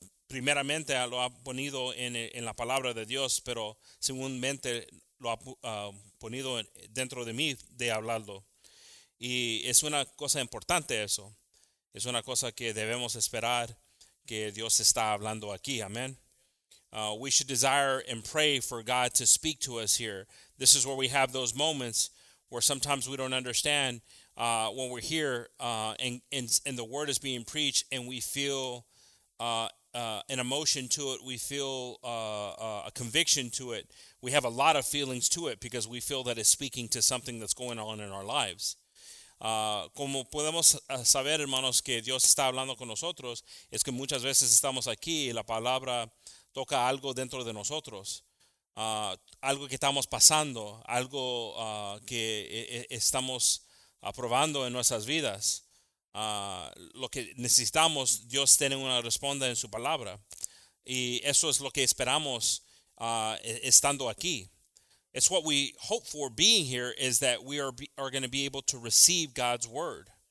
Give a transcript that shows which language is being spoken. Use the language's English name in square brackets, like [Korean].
[Spanish] Primeramente lo ha ponido en la palabra de Dios, pero segundamente lo ha ponido dentro de mí de hablarlo. Y es una cosa importante eso. Es una cosa que debemos esperar que Dios está hablando aquí. Amen. [English] We should desire and pray for God to speak to us here. This is where we have those moments where sometimes we don't understand when we're here and the word is being preached and we feel an emotion to it. We feel a conviction to it. We have a lot of feelings to it because we feel that it's speaking to something that's going on in our lives. [Spanish] Como podemos saber, hermanos, que Dios está hablando con nosotros, es que muchas veces estamos aquí y la palabra toca algo dentro de nosotros, algo que estamos pasando, algo que estamos aprobando en nuestras vidas. Lo que necesitamos, Dios tiene una respuesta en su palabra. Y eso es lo que esperamos estando aquí. [English] It's what we hope for being here is that we are going to be able to receive God's word.